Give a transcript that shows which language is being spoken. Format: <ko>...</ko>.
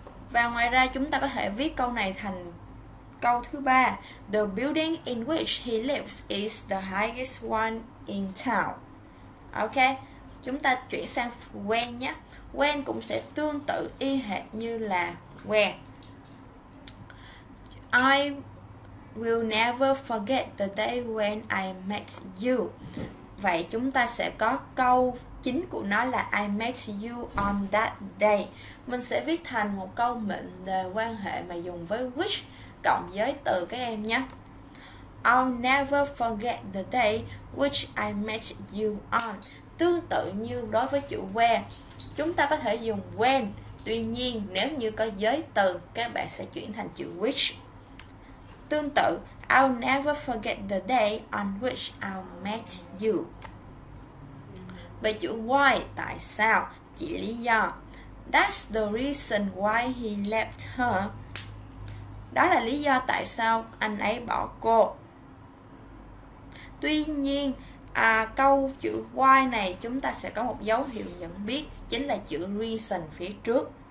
<vi>Và ngoài ra chúng ta có thể viết câu này thành câu thứ ba:</vi> <en>The building in which he lives is the highest one in town.</en> <vi>Ok, chúng ta chuyển sang when nhé. When cũng sẽ tương tự y hệt như là where.</vi> <en>I will never forget the day when I met you.</en> <vi>Vậy chúng ta sẽ có câu chính của nó là</vi> <en>I met you on that day.</en> <vi>Mình sẽ viết thành một câu mệnh đề quan hệ mà dùng với which cộng giới từ các em nhé.</vi> <en>I'll never forget the day which I met you on.</en> <vi>Tương tự như đối với chữ where, chúng ta có thể dùng when, tuy nhiên nếu như có giới từ, các bạn sẽ chuyển thành chữ which. Tương tự,</vi> <en>I'll never forget the day on which I met you.</en> <vi>Về chữ why, tại sao, chỉ lý do.</vi> <en>That's the reason why he left her.</en> <vi>Đó là lý do tại sao anh ấy bỏ cô. Tuy nhiên, câu chữ why này chúng ta sẽ có một dấu hiệu nhận biết, chính là chữ reason phía trước.</vi>